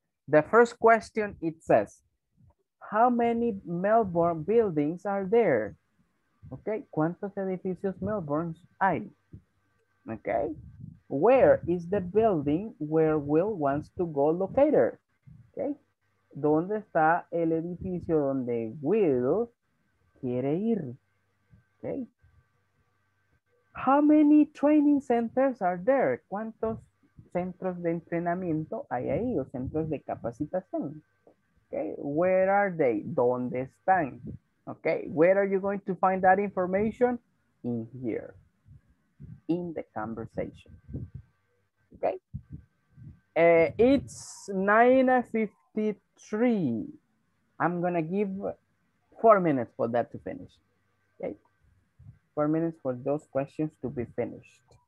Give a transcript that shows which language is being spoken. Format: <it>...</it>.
<en>The first question, it says, how many Melbourne buildings are there? Okay,</en> <es>¿cuántos edificios Melbourne hay?</es> <en>Okay, where is the building where Will wants to go located?</en> <es>Okay, ¿dónde está el edificio donde Will quiere ir?</es> <en>Okay, how many training centers are there?</en> <es>¿Cuántos centros de entrenamiento hay ahí o centros de capacitación?</es> <en>Okay, where are they?</en> <es>¿Dónde están?</es> <en>Okay, where are you going to find that information? In here, in the conversation. Okay, it's 9:53. I'm gonna give 4 minutes for that to finish. Okay, 4 minutes for those questions to be finished.</en>